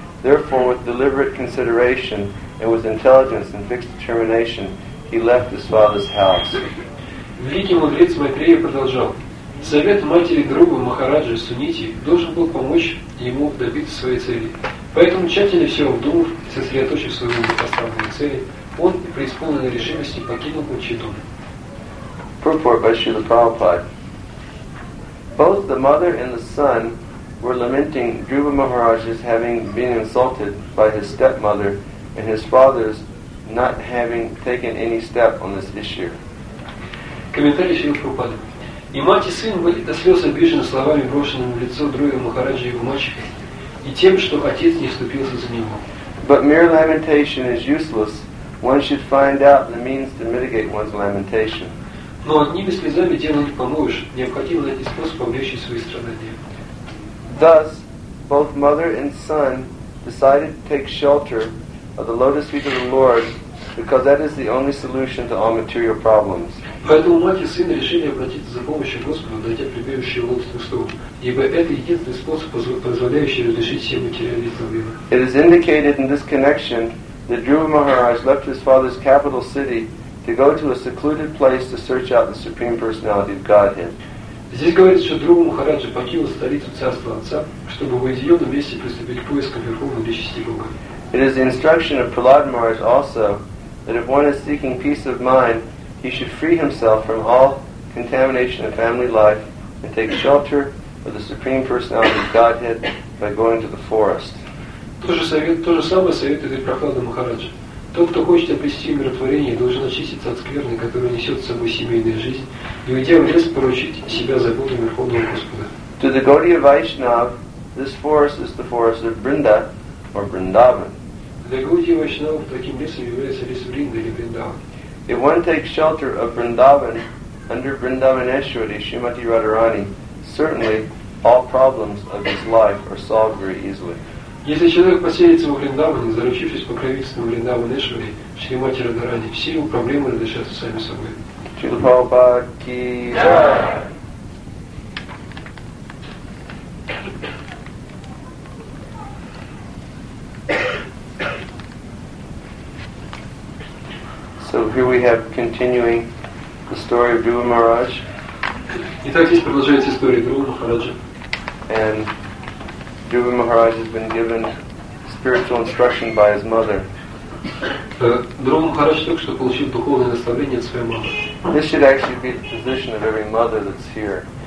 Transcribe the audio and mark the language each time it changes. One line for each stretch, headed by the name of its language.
English: Therefore, with deliberate consideration and with intelligence and fixed determination, he left his father's house.
Russian: Великий мудрец Майтрея продолжал. Совет матери Дхрувы Махараджи Сунити должен был помочь ему добиться своей цели. Поэтому, тщательно все обдумав и сосредоточив свою поставленную цель, он при исполненной решимости покинул Учитуму.
English: Purport by Srila Prabhupada. Both the mother and the son were lamenting Dhruva Maharaj's having been insulted by his stepmother and his father's not having taken any step on this issue.
Russian: Комментарий Шрилы Прабхупады. И мать, и сын были до слез обижены словами, брошенными в лицо Дхрувы Махараджи и его мачехи, и тем, что отец не вступился за него.
English: But mere lamentation is useless. One should find out the means to mitigate one's lamentation.
Russian: Но одними слезами дело не поможешь. Необходимо найти способ облегчить свои страдания.
English: Thus, both mother and son decided to take shelter of the lotus feet of the Lord, because that is the only solution to all material problems.
Russian: Поэтому мать и сын решили обратиться за помощью Господу, найдя прибежище в лотосных стопах, ибо это единственный способ, позволяющий разрешить все материальные проблемы.
English: It is indicated in this connection that Dhruva Maharaj left his father's capital city to go to a secluded place to search out the Supreme Personality of Godhead.
Russian: Здесь говорится, что Дхрува Махараджа покинул столицу Царства Отца, чтобы в уединенном месте приступить к поискам Верховной Личности Бога.
English: It is the instruction of Prahlad Maharaj also that if one is seeking peace of mind, he should free himself from all contamination of family life and take shelter of the Supreme Personality of Godhead by going to the forest.
Russian: То же самое советует и Прахлада Махараджа. Тот, кто хочет обрести умиротворение, должен очиститься от скверны, которая несет с собой семейная жизнь, и уйдя в лес, поручить себя заботам Верховного Господа.
English: To the Gaudiya Vaishnava, this forest is the forest of Brinda, or Vrindavan.
Russian: Для груди вайшнавов таким местом является лес Вринда или Вриндаван.
English: If one takes shelter of Vrindavan under Vrindavaneshwari, Srimati Radharani, certainly all problems of his life are solved very easily.
Russian: Если человек поселится во Вриндаване, заручившись покровительством Вриндаванешвари, Шримати Радхарани, все его проблемы разрешатся сами собой.
Hindi: Шрила Прабхупада ки джай.
English: So here we have continuing the story of Dhruva Maharaj.
Russian: Итак, здесь продолжается история Дхрувы Махараджа.
English: And Dhruva Maharaj has been given spiritual instruction by his mother.
Russian: Dhruva Maharaj только что получил духовное наставление от своей мамы.
English: This should actually be the position of every mother that's here.